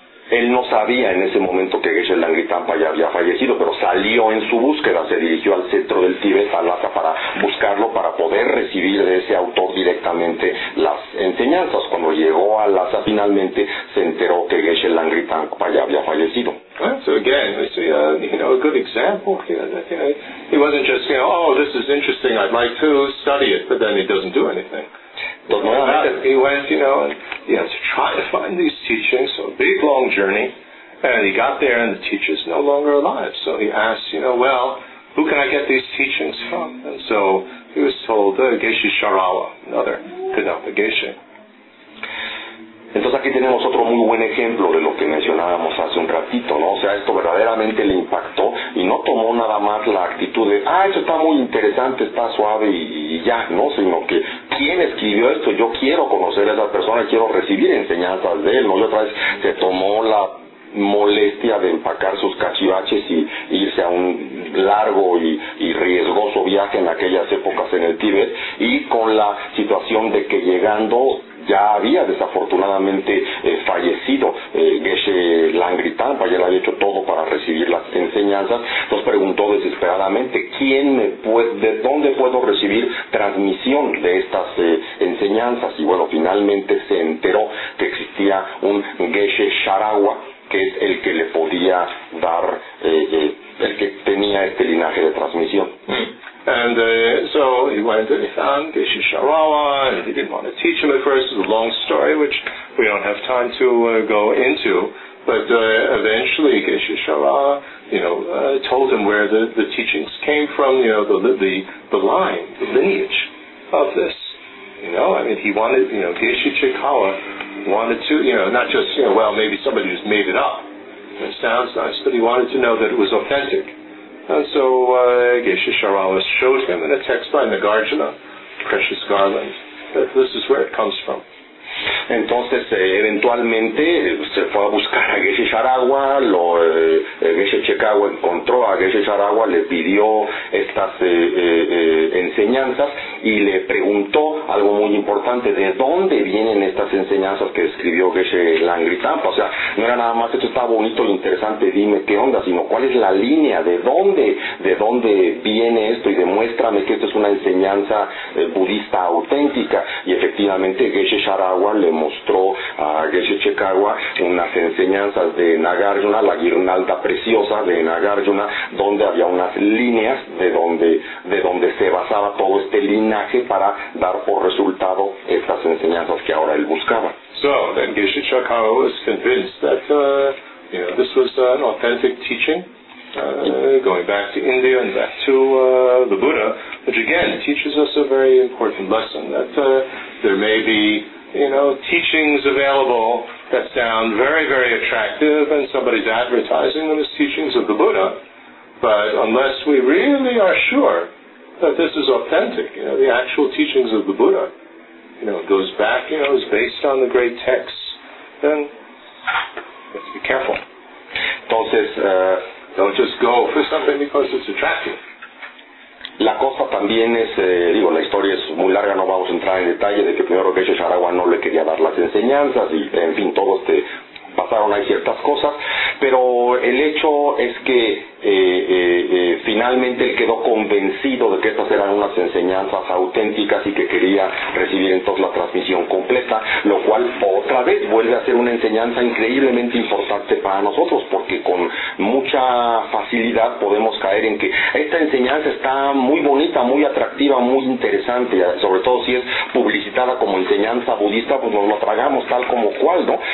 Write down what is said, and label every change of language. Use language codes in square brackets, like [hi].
[es] Él no sabía en ese momento que Geshe Langritampa ya había fallecido, pero salió en su búsqueda, se dirigió al centro del Tíbet, a Lhasa, para buscarlo, para poder recibir de ese autor directamente las enseñanzas. Cuando llegó a Lhasa, finalmente se enteró que Geshe Langritampa ya había fallecido. [en] So again, it's a good example. He wasn't just, you know, oh, this is interesting, I'd like to study it, but then he doesn't do anything. He went, you know, and he had to try to find these teachings, so a big long journey, and he got there and the teacher's no longer alive. So he asked, you know, well, who can I get these teachings from? And so he was told, Geshe Sharawa, another Kadampa Geshe. [es] Entonces aquí tenemos otro muy buen ejemplo de lo que mencionábamos hace un ratito, ¿no? O sea, esto verdaderamente le impactó y no tomó nada más la actitud de, ah, esto está muy interesante, está suave y ya, ¿no? Sino que, ¿quién escribió esto? Yo quiero conocer a esa persona y quiero recibir enseñanzas de él, ¿no? Y otra vez se tomó la molestia de empacar sus cachivaches y irse a un largo y riesgoso viaje en aquellas épocas en el Tíbet, y con la situación de que llegando ya había desafortunadamente fallecido Geshe Langri Tangpa, ya le había hecho todo para recibir las enseñanzas. Entonces preguntó desesperadamente, ¿quién me puede, de dónde puedo recibir transmisión de estas enseñanzas? Y bueno, finalmente se enteró que existía un Geshe Sharawa, que es el que le podía dar, el que tenía este linaje de transmisión. [en] And so he went and he found Geshe Sharawa, and he didn't want to teach him at first. It's a long story, which we don't have time to go into. But eventually Geshe Sharawa, you know, told him where the teachings came from, you know, the line, the lineage of this. You know, I mean, he wanted, you know, Geshe Chikawa wanted to, you know, not just, you know, well, maybe somebody just made it up. It sounds nice, but he wanted to know that it was authentic. And so Geshe Sharawa showed him in a text by Nagarjuna, Precious Garland, that this is where it comes from. [es] Entonces, eventualmente, se fue a buscar a Geshe Sharawa, Geshe Chikawa encontró a Geshe Sharawa, le pidió estas enseñanzas y le preguntó algo muy importante, ¿de dónde vienen estas enseñanzas que escribió Geshe Langri Tangpa? O sea, no era nada más, esto está bonito e interesante, dime qué onda, sino cuál es la línea, de dónde viene esto, y demuéstrame que esto es una enseñanza budista auténtica. Y efectivamente, Geshe Sharawa le mostró a Geshe Chikawa unas enseñanzas de Nagarjuna, la guirnalda preciosa de Nagarjuna, donde había unas líneas de donde se basaba todo este linaje para dar por resultado estas enseñanzas que ahora él buscaba. [en] So then Geshe Chikawa was convinced that you know, this was an authentic teaching, going back to India and back to the Buddha, which again teaches us a very important lesson, that there may be, you know, teachings available that sound very, very attractive, and somebody's advertising them as teachings of the Buddha. But unless we really are sure that this is authentic, you know, the actual teachings of the Buddha, you know, it goes back, you know, is based on the great texts, then let's be careful. [es] Entonces, [en] don't just go for something because it's attractive. [es] La cosa también es, digo, la historia es muy larga, no vamos a entrar en detalle, de que primero Geshe Sharawa no le quería dar las enseñanzas, y en fin, todo este, pasaron ahí ciertas cosas, pero el hecho es que finalmente él quedó convencido de que estas eran unas enseñanzas auténticas y que quería recibir entonces la transmisión completa, lo cual otra vez vuelve a ser una enseñanza increíblemente importante para nosotros, porque con mucha facilidad podemos caer en que esta enseñanza está muy bonita, muy atractiva, muy interesante, sobre todo si es publicitada como enseñanza budista, pues nos la tragamos tal como cual, ¿no?